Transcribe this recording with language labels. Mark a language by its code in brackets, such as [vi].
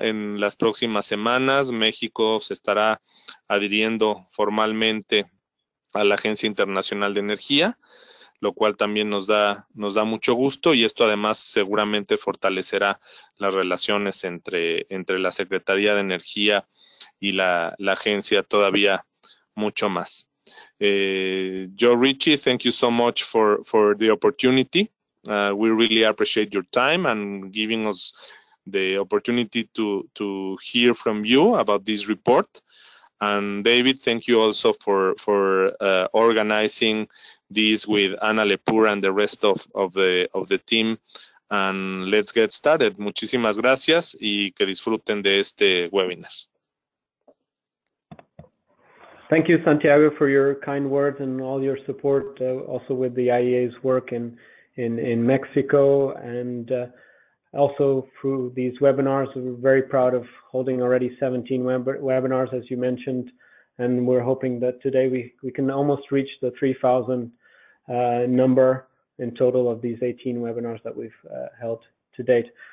[es] En las próximas semanas, México se estará adhiriendo formalmente a la Agencia Internacional de Energía, lo cual también nos da mucho gusto y esto además seguramente fortalecerá las relaciones entre la Secretaría de Energía y la agencia todavía mucho más. [en] Joe Ritchie, thank you so much for the opportunity. We really appreciate your time and giving us the opportunity to hear from you about this report. And David, thank you also for organizing this with Ana Lepura and the rest of the team. And let's get started. [es] Muchísimas gracias y que disfruten de este webinar. [en] Thank you, Santiago, for your kind words and all your support also with the IEA's work in Mexico and also through these webinars. We're very proud of holding already 17 webinars, as you mentioned, and we're hoping that today we can almost reach the 3,000 number in total of these 18 webinars that we've held to date.